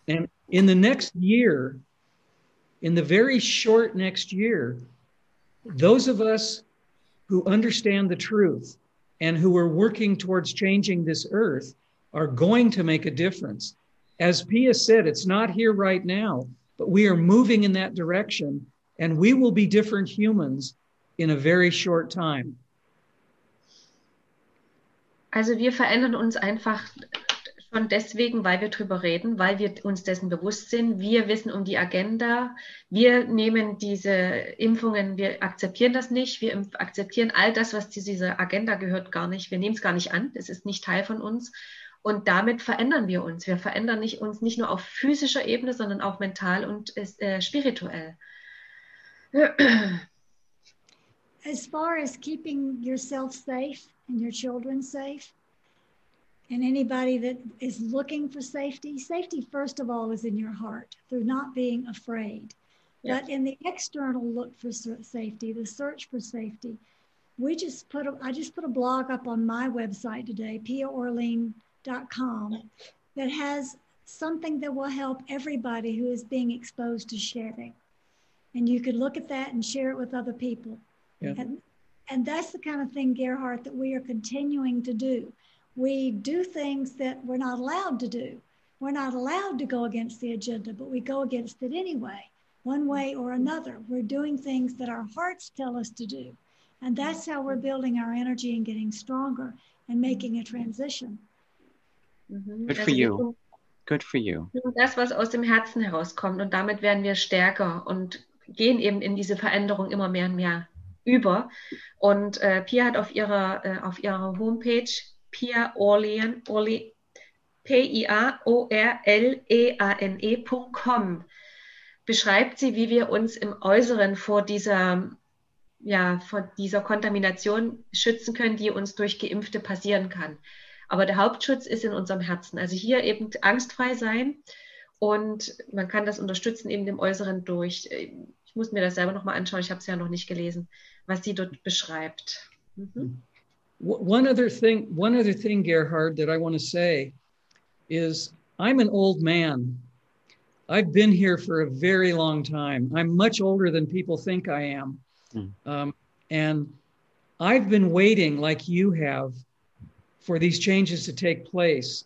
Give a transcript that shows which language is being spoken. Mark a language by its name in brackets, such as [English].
[English] And in the next year, in the very short next year, those of us who understand the truth and who are working towards changing this earth are going to make a difference. As Pia said, it's not here right now, but we are moving in that direction and we will be different humans in a very short time. [German] Also wir verändern uns einfach schon deswegen, weil wir drüber reden, weil wir uns dessen bewusst sind. Wir wissen um die Agenda. Wir nehmen diese Impfungen, wir akzeptieren das nicht. Wir akzeptieren all das, was zu dieser Agenda gehört, gar nicht. Wir nehmen es gar nicht an. Es ist nicht Teil von uns. Und damit verändern wir uns. Wir verändern uns nicht nur auf physischer Ebene, sondern auch mental und spirituell. [English] As far as keeping yourself safe and your children safe, and anybody that is looking for safety, safety first of all is in your heart through not being afraid. Yes. But in the external look for safety, the search for safety, I just put a blog up on my website today, Pia Orlean. .com that has something that will help everybody who is being exposed to shedding. And you could look at that and share it with other people. Yeah. And that's the kind of thing, Gerhardt, that we are continuing to do. We do things that we're not allowed to do. We're not allowed to go against the agenda, but we go against it anyway, one way or another. We're doing things that our hearts tell us to do. And that's how we're building our energy and getting stronger and making a transition. Mm-hmm. Good for you. Good for you. [German] Das, was aus dem Herzen herauskommt, und damit werden wir stärker und gehen eben in diese Veränderung immer mehr und mehr über. Und Pia hat auf ihrer Homepage Pia Orlean, P-I-A-O-R-L-E-A-N-E.com beschreibt sie, wie wir uns im Äußeren vor dieser, ja, vor dieser Kontamination schützen können, die uns durch Geimpfte passieren kann. Aber der Hauptschutz ist in unserem Herzen. Also hier eben angstfrei sein, und man kann das unterstützen eben dem Äußeren durch. Ich muss mir das selber nochmal anschauen. Ich habe es ja noch nicht gelesen, was sie dort beschreibt. Mhm. [English] One other thing, Gerhard, that I want to say is I'm an old man. I've been here for a very long time. I'm much older than people think I am. Mhm. And I've been waiting like you have for these changes to take place.